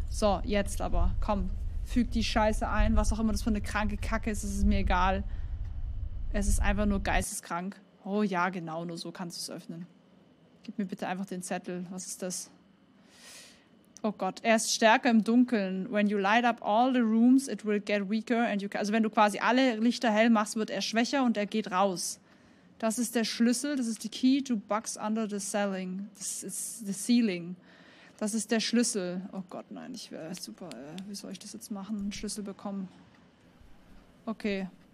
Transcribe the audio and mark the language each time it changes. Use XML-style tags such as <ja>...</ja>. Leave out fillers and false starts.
<de>So, jetzt aber. Komm, füg die Scheiße ein. Was auch immer das für eine kranke Kacke ist, ist es mir egal. Es ist einfach nur geisteskrank. Oh ja, genau, nur so kannst du es öffnen. Gib mir bitte einfach den Zettel. Was ist das? Oh Gott, er ist stärker im Dunkeln.</de> <en>When you light up all the rooms, it will get weaker. And you can,</en> <de>also wenn du quasi alle Lichter hell machst, wird er schwächer und er geht raus. Das ist der Schlüssel. Das ist die</de> <en>Key to bugs under the ceiling.</en> <de>Das ist</de> <en>the ceiling.</en> <de>Das ist der Schlüssel. Oh Gott, nein, ich wäre super. Wie soll ich das jetzt machen? Einen Schlüssel bekommen. Okay.</de>